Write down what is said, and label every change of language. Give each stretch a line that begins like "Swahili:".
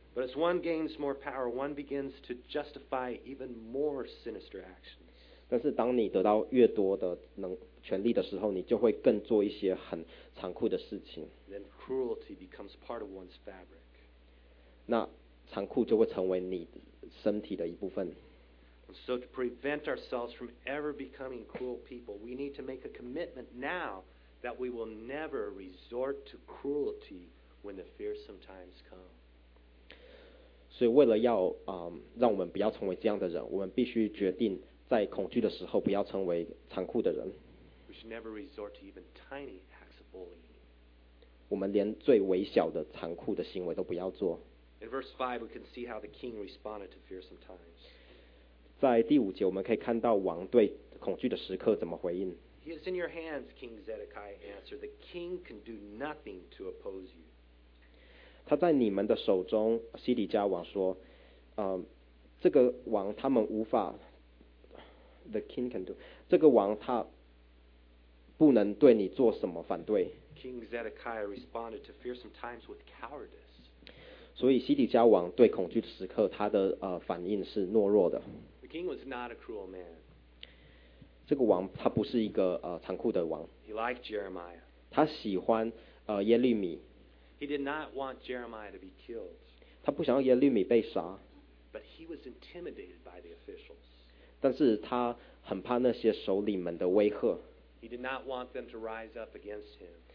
English: But as one gains more power, one begins to justify even more sinister actions.
Chinese: 但是当你得到越多的权力的时候，你就会更做一些很残酷的事情。
English: Then cruelty becomes part of one's fabric.
Chinese: 那残酷就会成为你身体的一部分。
English: So to prevent ourselves from ever becoming cruel people, we need to make a commitment now that we will never resort to cruelty when the fearsome times come.
Chinese: 所以为了要让我们不要成为这样的人，我们必须决定在恐惧的时候不要成为残酷的人。
English: We should never resort to even tiny acts of bullying.
Chinese: 我们连最微小的残酷的行为都不要做。
English: In verse 5, we can see how the king responded to fearsome times.
Chinese: 在第五节我们可以看到王对恐惧的时刻怎么回应。
English: He is in your hands, King Zedekiah answered. The king can do nothing to oppose you.
Chinese: 他在你们的手中，西底家王说，这个王他们无法
English: The king can do
Chinese: 这个王他不能对你做什么反对。
English: King Zedekiah responded to fearsome times with cowardice.
Chinese: 所以西底家王对恐惧的时刻他的反应是懦弱的。
English: The king was not a cruel man.
Chinese: 这个王他不是一个残酷的王。
English: He liked Jeremiah.
Chinese: 他喜欢耶利米。
English: He did not want Jeremiah to be killed.
Chinese: 他不想要耶利米被杀。
English: But he was intimidated by the officials.
Chinese: 但是他很怕那些首领们的威吓。
English: He did not want them to rise up against him.